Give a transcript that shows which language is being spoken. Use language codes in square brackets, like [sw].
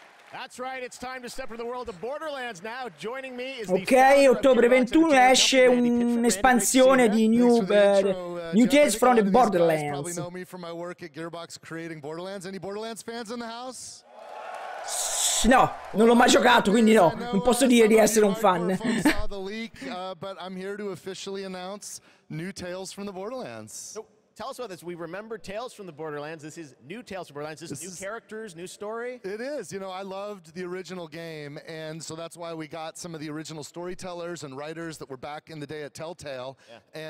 [en] That's right, it's time to step into the world of Borderlands now. Joining me is [it] ok, ottobre 21 esce un'espansione di New Tales from the Borderlands. [en] Probably know me from my work at Gearbox creating Borderlands. Any Borderlands fans in the house? [it] No, non l'ho mai giocato, quindi no, non posso dire di essere un fan. [en] But I'm here to officially announce New Tales from the Borderlands. So, tell us about this. We remember Tales from the Borderlands. This is New Tales from the Borderlands. This is new characters, new story. It is. You know, I loved the original game, and so that's why we got some of the original storytellers and writers that were back in the day at Telltale, yeah.